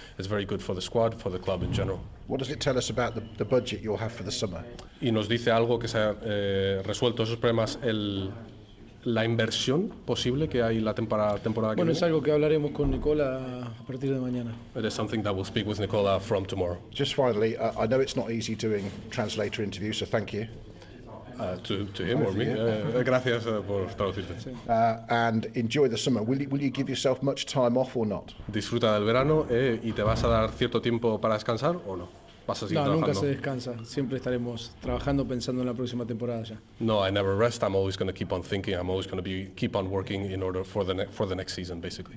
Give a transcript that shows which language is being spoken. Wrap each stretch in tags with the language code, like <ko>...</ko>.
<en>It's very good for the squad, for the club in general. What does it tell us about the budget you'll have for the summer?</en> <es>Y nos dice algo que se ha resuelto esos problemas la inversión posible que hay la temporada que viene. Bueno, es algo que hablaremos con Nicola a partir de mañana.</es> <en>It is something that we'll speak with Nicola from tomorrow. Just finally, I know it's not easy doing translator interviews, so thank you. To him or me.</en> <es>Gracias por traducirte.</es> <en>And enjoy the summer. Will you give yourself much time off or not?</en> <es>Disfruta del verano y te vas a dar cierto tiempo para descansar o no. Vas a seguir trabajando. No, nunca se descansa. Siempre estaremos trabajando pensando en la próxima temporada ya.</es> <en>No, I never rest. I'm always going to keep on thinking. I'm always going to keep on working in order for the next season, basically.</en>